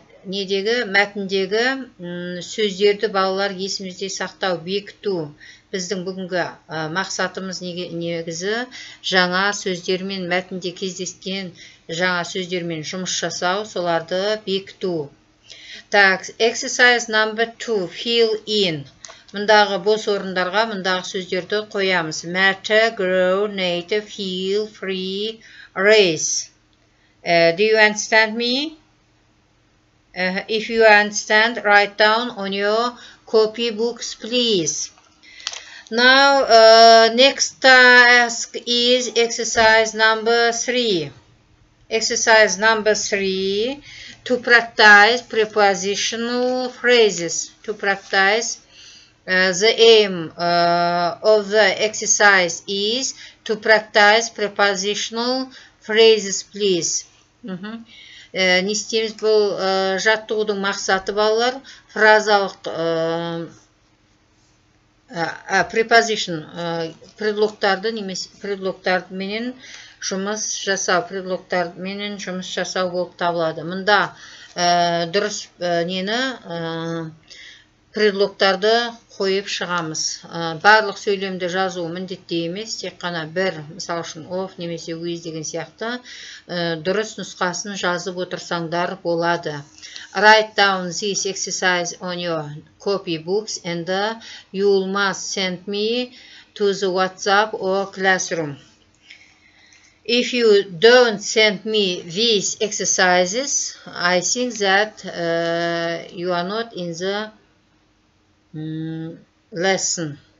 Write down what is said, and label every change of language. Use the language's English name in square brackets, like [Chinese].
[Kazakh] Недегі, мәтіндегі сөздерді балалар есімізде сақтау, бекіту. Біздің бүгінгі мақсатымыз негізі жаңа сөздермен мәтінде кездескен жаңа сөздермен жұмыс жасау, соларды бекіту. [English] Так, exercise number 2, fill in. [Kazakh] Мындағы бос орындарға мындағы сөздерді қоямыз. [English] Matter, grow, native, heal, free, race. Do you understand me? If you understand, write down on your copy books, please. Now, next task is exercise number 3. Exercise number 3, to practice prepositional phrases. To practice, the aim of the exercise is to practice prepositional phrases, please. [Kazakh] Не істейміз бұл жаттығудың мақсаты балалар, фразалық preposition предлогтарды немесе предлогтарменен жұмыс жасау болып табылады. Мында дұрыс нені предлогтарды қойып шығамыз. Барлық сөйлемді жазу міндетті емес, тек қана бір, мысал үшін of немесе with деген сияқты дұрыс нұсқасын жазып отырсаңдар болады. [English] Write down this exercise on your copy books and you must send me to the WhatsApp or classroom. If you don't send me these exercises, I think that you are not in the lesson.